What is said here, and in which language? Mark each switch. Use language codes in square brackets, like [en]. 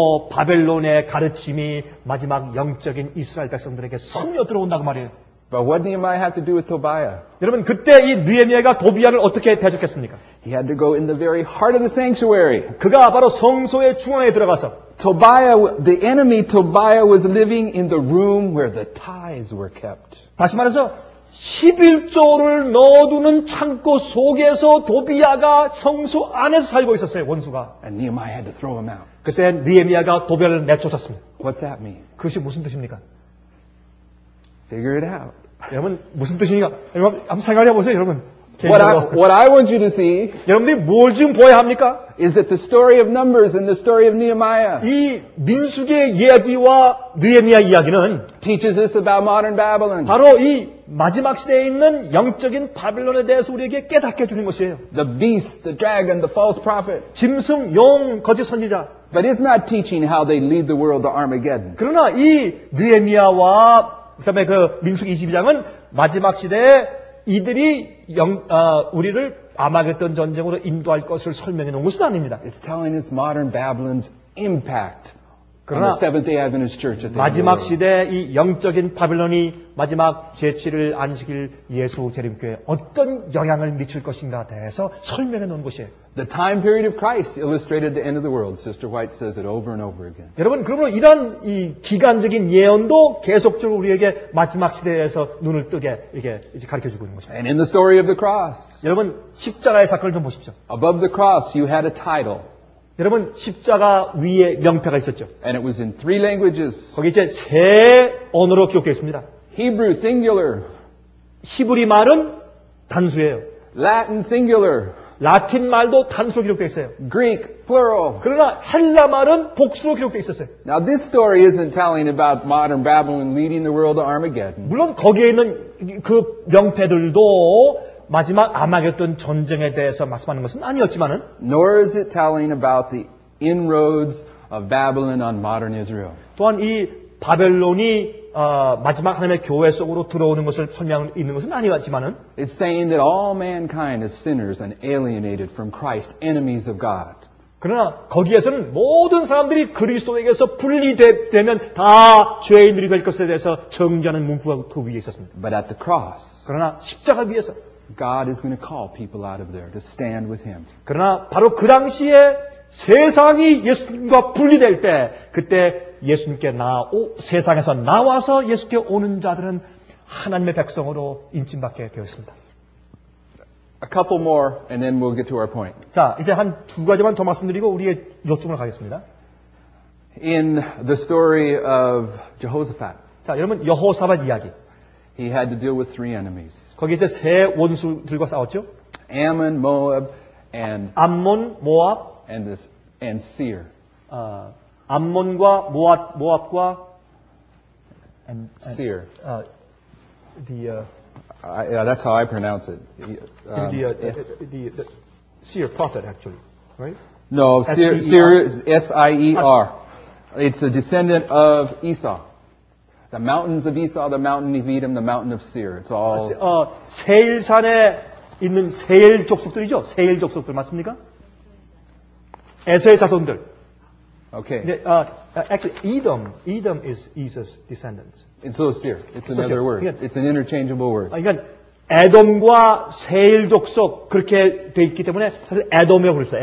[ko] 바벨론의 가르침이 마지막 영적인 이스라엘 백성들에게 스며 들어온다고 말해요. [en] But what Nehemiah had to do with Tobiah? [ko] 여러분 그때 이 느헤미야가 도비야를 어떻게 대적했습니까? [en] He had to go in the very heart of the sanctuary. [ko] 그가 바로 성소의 중앙에 들어가서. [en] Tobiah, the enemy Tobiah was living in the room where the tithes were kept. [ko] 다시 말해서 십일조를 넣어두는 창고 속에서 도비야가 성소 안에서 살고 있었어요 원수가. [en] And Nehemiah had to throw him out. [ko] 그때 느헤미야가 도비야를 내쫓았습니다. [en] What's that mean? [ko] 그것이 무슨 뜻입니까? [en] Figure it out. [ko] 여러분 무슨 뜻이냐? 여러분 한번 생각해 보세요, 여러분. [en] What I want you to see. [ko] 여러분들이 뭘 지금 보야 합니까? [en] Is that the story of Numbers and the story of Nehemiah? [ko] 이 민수기의 이야기와 느헤미야 이야기는 [en] teaches us about modern Babylon. [ko] 바로 이 마지막 시대에 있는 영적인 바벨론에 대해서 우리에게 깨닫게 주는 것이에요. [en] The beast, the dragon, the false prophet. [ko] 짐승, 용, 거짓 선지자. [en] But it's not teaching how they lead the world to Armageddon. [ko] 그러나 이 느헤미야와 그다음에 그 민수기 22장은 마지막 시대에 이들이 우리를 아마겟돈 전쟁으로 인도할 것을 설명해 놓은 것은 아닙니다. [en] It's telling us modern Babylon's impact on the Seventh-day Adventist Church. [ko] 마지막 시대에 이 영적인 바벨론이 마지막 제7일 안식일 예수 재림교회에 어떤 영향을 미칠 것인가에 대해서 설명해 놓은 것이에요. [en] The time period of Christ illustrated the end of the world. Sister White says it over and over again. [ko] 여러분, 그러므로 이런 이 기간적인 예언도 계속적으로 우리에게 마지막 시대에서 눈을 뜨게 이렇게 이제 가르쳐 주고 있는 것입니다. [en] And in the story of the cross. [ko] 여러분, 십자가의 사건을 좀 보십시오. [en] Above the cross, you had a title. [ko] 여러분, 십자가 위에 명패가 있었죠. [en] And it was in three languages. [ko] 거기 이제 세 언어로 기록되어 있습니다. [en] Hebrew singular. [ko] 히브리 말은 단수예요. [en] Latin singular. [ko] 라틴 말도 단수로 기록되어 있어요. [en] Greek plural. [ko] 그러나 헬라 말은 복수로 기록되어 있었어요. [en] Now this story isn't telling about modern Babylon leading the world to Armageddon. [ko] 물론 거기에 있는 그 명패들도 마지막 아마겟돈 전쟁에 대해서 말씀하는 것은 아니었지만은 [en] nor is it telling about the inroads of Babylon on modern Israel. [ko] 또한 이 바벨론이 마지막 하나님의 교회 속으로 들어오는 것을 설명하고 있는 것은 아니었지만은 [en] It's saying that all mankind is sinners and alienated from Christ, enemies of God. [ko] 그러나 거기에서는 모든 사람들이 그리스도에게서 분리되면 다 죄인들이 될 것에 대해서 정죄하는 문구가 그 위에 있었습니다. [en] But at the cross. [ko] 그러나 십자가 위에서 [en] God is going to call people out of there to stand with him. [ko] 그러나 바로 그 당시에 세상이 예수님과 분리될 때 그때 예수님께 나오 세상에서 나와서 예수께 오는 자들은 하나님의 백성으로 인침받게 되었습니다. [en] A couple more and then we'll get to our point. [ko] 자, 이제 한 두 가지만 더 말씀드리고 우리의 요점으로 가겠습니다. [en] In the story of Jehoshaphat. [ko] 자, 여러분 여호사밧 이야기. [en] He had to deal with three enemies. [ko] 거기 이제 세 원수들과 싸웠죠? [en] Ammon, Moab and [ko] 암몬, 모압 [en] and this and Seir. [ko] 암몬과 모압과 [en] and Seir. That's how I pronounce it. The Seir prophet actually, right? No, Seir is S-I-E-R. It's a descendant of Esau. The mountains of Esau, the mountain of Edom, the mountain of Seir. It's all [ko] 세일 산에 있는 세일 족속들이죠. 세일 족속들 맞습니까? 에서의 자손들. [en] Okay. Actually, Edom is Esau's descendants. And so is Seir. It's another word. It's an interchangeable word. [ko] 그러니까 에돔과 세일 족속 그렇게 돼 있기 때문에 사실 에돔이라고 불렀어요.